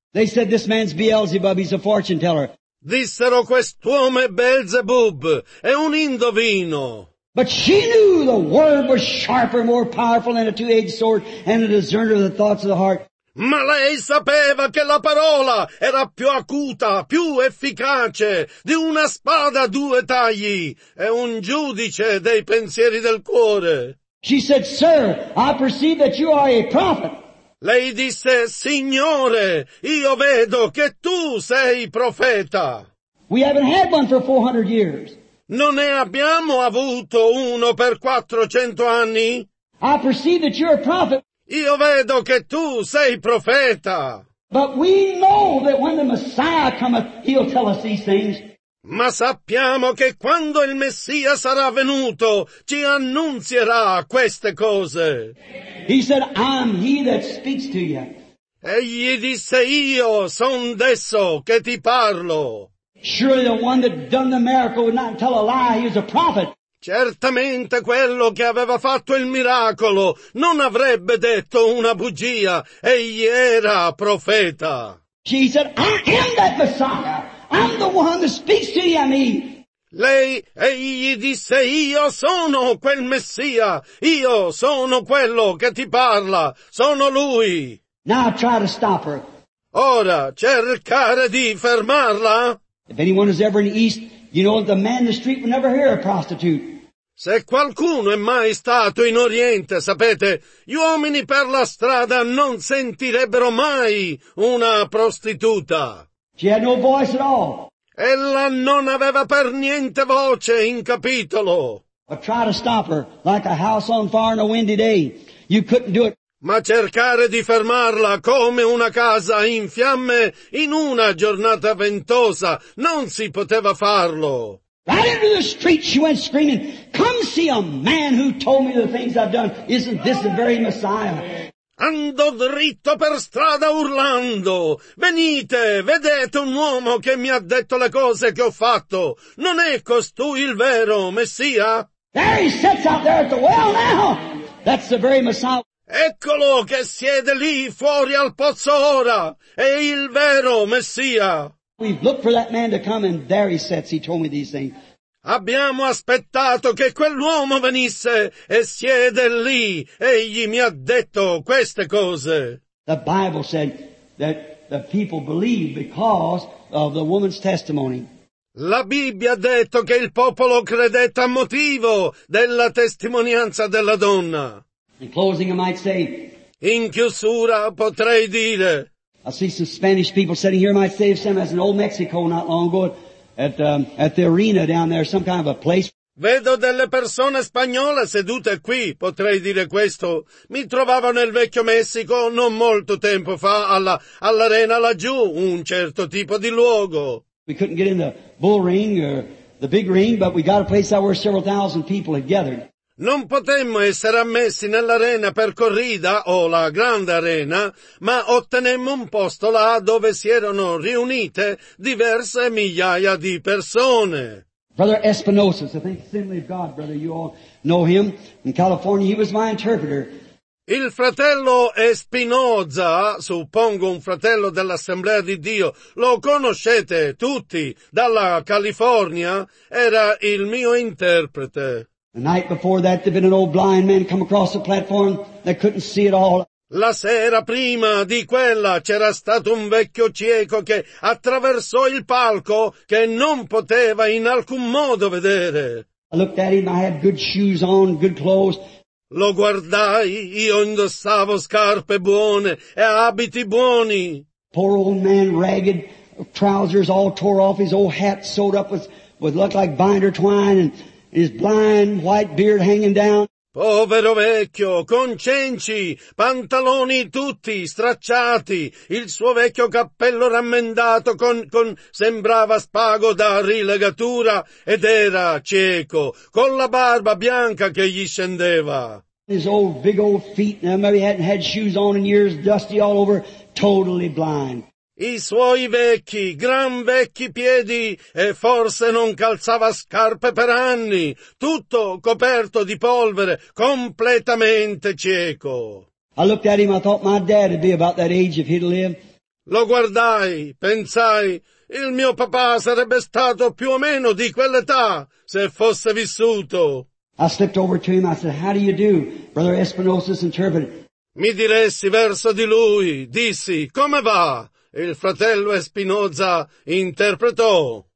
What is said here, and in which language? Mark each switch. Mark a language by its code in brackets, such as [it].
[en] They said, "This man's Beelzebub, he's a fortune teller." [it] Dissero, quest'uomo è Beelzebub, è un indovino. [en] But she knew the word was sharper, more powerful than a two-edged sword, and a discerner of the thoughts of the heart. [it] Ma lei sapeva che la parola era più acuta, più efficace, di una spada a due tagli, e un giudice dei pensieri del cuore. [en] She said, "Sir, I perceive that you are a prophet." [it] Lei disse, "Signore, io vedo che tu sei profeta." [en] We haven't had one for 400 years. [it] Non ne abbiamo avuto uno per 400 anni? [en] I perceive that you're a prophet. [it] Io vedo che tu sei profeta. [en] But we know that when the Messiah cometh, he'll tell us these things. [it] Ma sappiamo che quando il Messia sarà venuto, ci annunzierà queste cose. [en] He said, "I'm he that speaks to you." [it] Egli disse, io son desso che ti parlo. [en] Surely the one that done the miracle would not tell a lie. He was a prophet. [it] Certamente quello che aveva fatto il miracolo non avrebbe detto una bugia. Egli era profeta. [en] She said, "I am that Messiah. I'm the one that speaks to you, me." [it] Lei, egli disse, io sono quel Messia. Io sono quello che ti parla. Sono lui. [en] Now try to stop her. [it] Ora cercare di fermarla. [en] If anyone is ever in the East, you know that the man in the street would never hear a prostitute. [it] Se qualcuno è mai stato in Oriente, sapete, gli uomini per la strada non sentirebbero mai una prostituta. [en] She had no voice at all. [it] Ella non aveva per niente voce in capitolo. [en] But try to stop her like a house on fire on a windy day. You couldn't do it. [it] Ma cercare di fermarla come una casa in fiamme in una giornata ventosa, non si poteva farlo. [en] Right into the street she went screaming, come see a man who told me the things I've done. Isn't this the very Messiah? [it] Andò dritto per strada urlando, venite, vedete un uomo che mi ha detto le cose che ho fatto. Non è costui il vero Messia? [en] There he sits out there at the well now. That's the very Messiah. [it] Eccolo che siede lì fuori al pozzo ora, è il vero Messia. [en] We've looked for that man to come and there he sits, he told me these things. [it] Abbiamo aspettato che quell'uomo venisse e siede lì, egli mi ha detto queste cose. [en] The Bible said that the people believed because of the woman's testimony. [it] La Bibbia ha detto che il popolo credette a motivo della testimonianza della donna. [en] In closing, I might say, [it] in chiusura potrei dire, [en] I see some Spanish people sitting here. I might say some as in old Mexico not long ago at the arena down there, some kind of a place. [it] Vedo delle persone spagnole sedute qui, potrei dire questo. Mi trovavo nel vecchio Messico non molto tempo fa all'arena laggiù, un certo tipo di luogo. [en] We couldn't get in the bull ring or the big ring, but we got a place out where several thousand people had gathered. [it] Non potemmo essere ammessi nell'arena per corrida o la grande arena, ma ottenemmo un posto là dove si erano riunite diverse migliaia di persone. [en] Brother Espinosa, I think Assembly of God, brother, you all know him. In California, he was my interpreter. [it] Il fratello Espinosa, suppongo un fratello dell'Assemblea di Dio, lo conoscete tutti, dalla California, era il mio interprete. [en] The night before that, there'd been an old blind man come across the platform that couldn't see at all. [it] La sera prima di quella c'era stato un vecchio cieco che attraversò il palco che non poteva in alcun modo vedere. [en] I looked at him. I had good shoes on, good clothes. [it] Lo guardai. Io indossavo scarpe buone e abiti buoni. [en] Poor old man, ragged trousers all tore off. His old hat sewed up with looked like binder twine and. His blind white beard hanging down. [it] Povero vecchio, con cenci, pantaloni tutti stracciati, il suo vecchio cappello rammendato con sembrava spago da rilegatura ed era cieco, con la barba bianca che gli scendeva. [en] His old big old feet, now maybe hadn't had shoes on in years, dusty all over, totally blind. [it] I suoi vecchi, gran vecchi piedi, e forse non calzava scarpe per anni, tutto coperto di polvere, completamente cieco. [en] I looked at him, I thought my dad would be about that age if he'd live. [it] Lo guardai, pensai, il mio papà sarebbe stato più o meno di quell'età, se fosse vissuto. [en] I slipped over to him, I said, how do, Brother Espinosa's interpreter? [it] Mi diressi verso di lui, dissi, come va? Il fratello Espinosa interpretò.